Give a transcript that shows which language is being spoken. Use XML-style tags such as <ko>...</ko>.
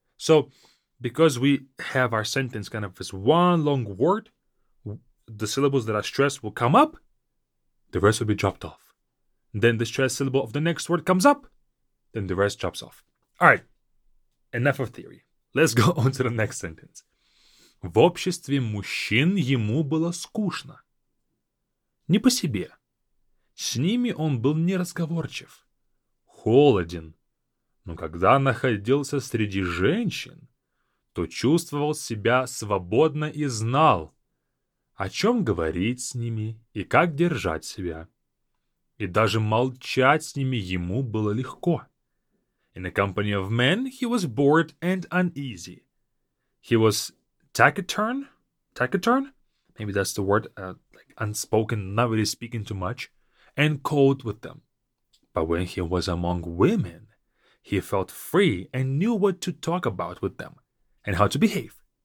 <en>So, because we have our sentence kind of as one long word, the syllables that are stressed will come up, the rest will be dropped off. Then the stressed syllable of the next word comes up, then the rest drops off. All right, enough of theory. Let's go on to the next sentence.</en> <ru>В обществе мужчин ему было скучно. Не по себе. С ними он был неразговорчив. Холоден. Но когда находился среди женщин, то чувствовал себя свободно и знал, о чем говорить с ними и как держать себя. И даже молчать с ними ему было легко.</ru> <en>In the company of men, he was bored and uneasy. He was taciturn, maybe that's the word, like unspoken, not really speaking too much, and cold with them. But when he was among women, he felt free and knew what to talk about with them and how to behave.</en>